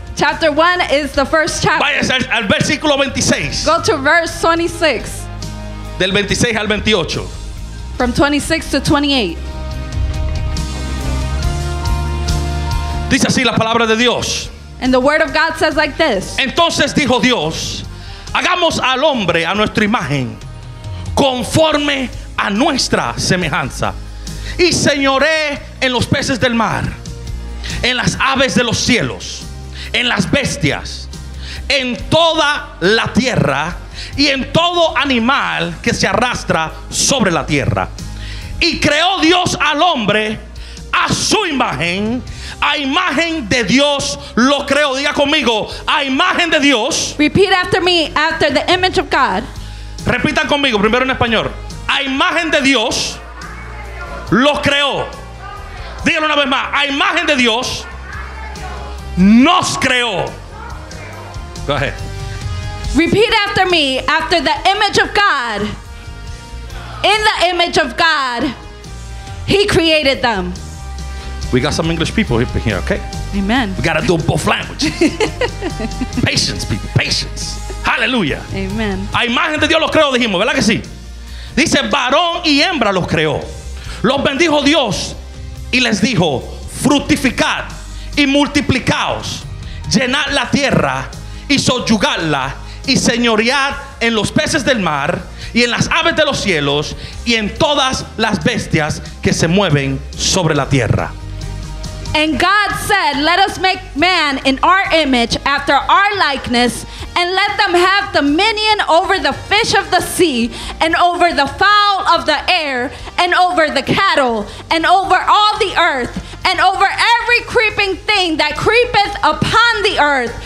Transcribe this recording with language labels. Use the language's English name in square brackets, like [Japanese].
[English] Chapter 1 is the first chapter. [Spanish] Váyase al versículo 26. [English] Go to verse 26. [Spanish] Del 26 al 28. [English] From 26 to 28. [Spanish] Dice así la palabra de Dios. [English] And the word of God says like this. [Spanish] Entonces dijo Dios, hagamos al hombre a nuestra imagen, conforme a nuestra semejanza, y señoré en los peces del mar, en las aves de los cielos, en las bestias, en toda la tierra y en todo animal que se arrastra sobre la tierra. Y creó Dios al hombre a su imagen, a imagen de Dios lo creó. Diga conmigo, a imagen de Dios. [English] Repeat after me, after the image of God. [Spanish] Repitan conmigo, primero en español. A imagen de Dios lo creó. Díganlo una vez más, a imagen de Dios nos creó. [English] Go ahead. Repeat after me, after the image of God. In the image of God, He created them. We got some English people up here, okay? Amen. We got to do both languages. Patience, people, patience. Hallelujah. Amen. [Spanish] A imagen de Dios los creó, dijimos, ¿verdad que sí? Dice, varón y hembra los creó. Los bendijo Dios y les dijo, fructificad y multiplicaos, llenad la tierra y sojuzgadla y señoread en los peces del mar y en las aves de los cielos y en todas las bestias que se mueven sobre la tierra. [English] And God said, let us make man in our image after our likeness and let them have dominion over the fish of the sea and over the fowl of the air and over the cattle and over all the earth and over every creeping thing that creepeth upon the earth.